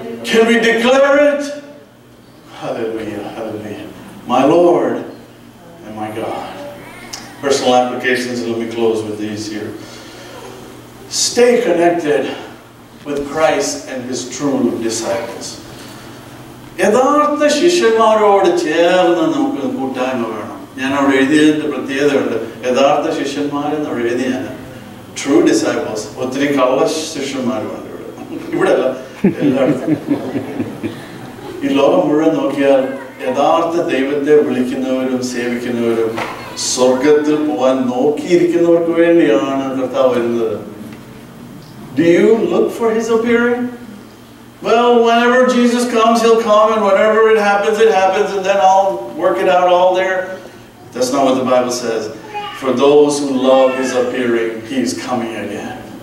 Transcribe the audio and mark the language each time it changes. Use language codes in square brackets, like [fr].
[en] Can we declare it? Hallelujah, hallelujah. My Lord and my God. Personal applications, and let me close with these here. stay connected with Christ and His true disciples. [ml] യഥാർത്ഥ ശിഷ്യന്മാരോട് ചേർന്ന് നമുക്ക് കൂട്ടായ്മ വേണം. ഞാൻ അവിടെ എഴുതിയതിന്റെ പ്രത്യേകത ഉണ്ട്, യഥാർത്ഥ ശിഷ്യന്മാരെന്ന് അവിടെ എഴുതിയാണ്. [en] true disciples [ml] ഒത്തിരി കള്ള ശിഷ്യന്മാരുമാണ് ഇവിടെ, ഇവിടെ അല്ല എല്ലായിടത്തും. ഈ ലോകം മുഴുവൻ നോക്കിയാൽ യഥാർത്ഥ ദൈവത്തെ വിളിക്കുന്നവരും സേവിക്കുന്നവരും സ്വർഗത്തിൽ പോവാൻ നോക്കിയിരിക്കുന്നവർക്ക് വേണ്ടിയാണ് കർത്താവ് വരുന്നത്. [en] Do you look for his appearing? Well, whenever Jesus comes, he'll come, and whenever it happens, and then I'll work it out all there. That's not what the Bible says. For those who love his appearing, he's coming again.